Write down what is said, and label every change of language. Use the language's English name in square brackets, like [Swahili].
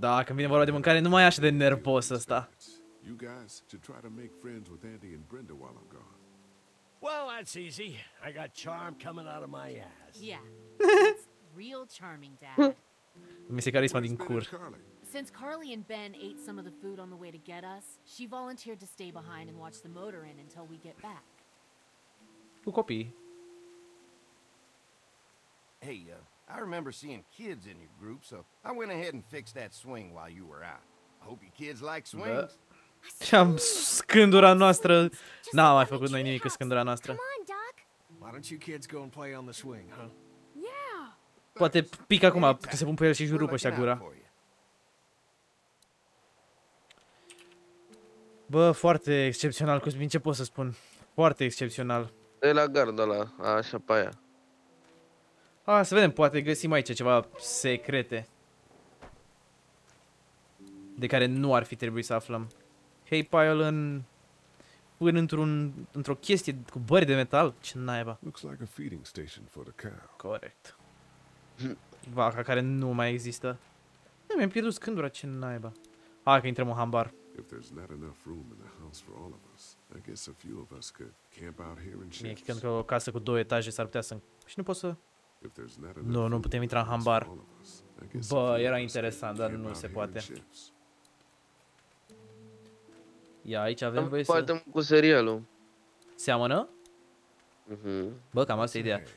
[Romanian] Da, când vine vorba de mâncare, nu mai e așa de nervos ăsta. [English] You guys should try to make friends with Andy and Brenda while I'm gone. Well, that's easy. I got charm coming out of my ass. Yeah. That's real charming, Dad. [Romanian] Mi se carisma din cur. [English] Since Carly and Ben ate some of the food on the way to get us, she volunteered to stay behind and watch the motor in until we get back. [Romanian] Cu copii. [English] Hey, I remember seeing kids in your group, so I went ahead and fixed that swing while you were out. I hope your kids like swings. [Romanian] Am scândura noastră. N-am mai făcut noi nimic cu scândura noastră. [English] Come on, Doc. Why don't you kids go and play on the swing, huh? Yeah. [Romanian] Poate pic acum, că se pun pe el și rupă ăștia gura. Bă, foarte excepțional, Cosmin, ce pot să spun? Foarte excepțional. E la gardă ăla, așa pe aia. Ah, să vedem, poate găsim aici ceva secrete de care nu ar fi trebuit să aflăm. Hey, Pyle, până într-o chestie cu bări de metal, ce naiba. [English] Looks like a feeding station for the cow. [Romanian] Corect. Vaca care nu mai există. Ne, mi-am pierdut scândura, ce naiba. Hai că intrăm în hambar. [English] If there's not enough room in the house for all of us, I guess a few of us could camp out here and chill. [Romanian] Mi-e o casă cu două etaje s-ar putea să... Și nu pot să... Nu, nu putem intra în hambar. Bă, era interesant, dar nu se poate. Ia, aici avem voie să... Poate cu serialul. Seamănă? Mm-hmm. Bă, cam asta e ideea.